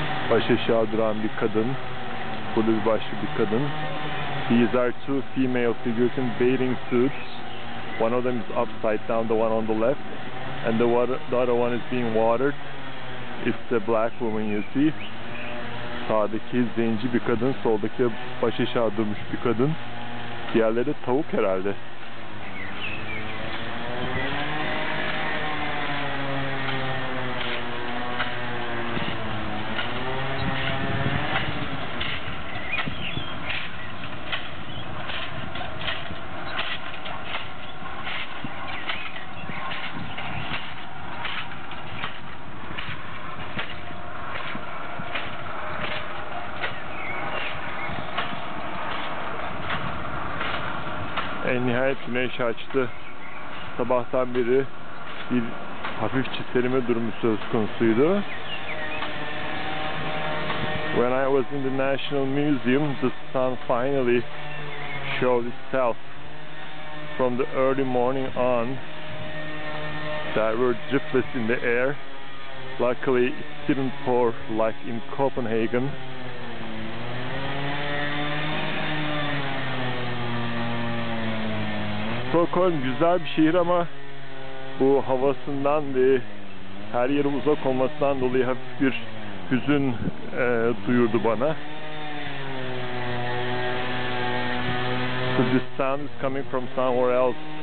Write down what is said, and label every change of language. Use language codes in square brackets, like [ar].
[tr] Baş aşağı duran bir kadın, kulü başlı bir kadın. [en] These are two female figures in bathing suits. One of them is upside down, the one on the left. And the other one is being watered. It's the black woman you see. [tr] Sağdaki zenci bir kadın, soldaki baş aşağı durmuş bir kadın. Diğerleri tavuk herhalde. Nihayet güneş açtı. Sabahtan beri bir hafifçe serime durumu söz konusuydu. [en] When I was in the National Museum, the sun finally showed itself. From the early morning on, there were driplets in the air. Luckily, it didn't pour like in Copenhagen. [tr] Stockholm güzel bir şehir ama bu havasından ve her yeri uzak olmasından dolayı hafif bir hüzün duyurdu bana. [en] So this sound is coming from somewhere else.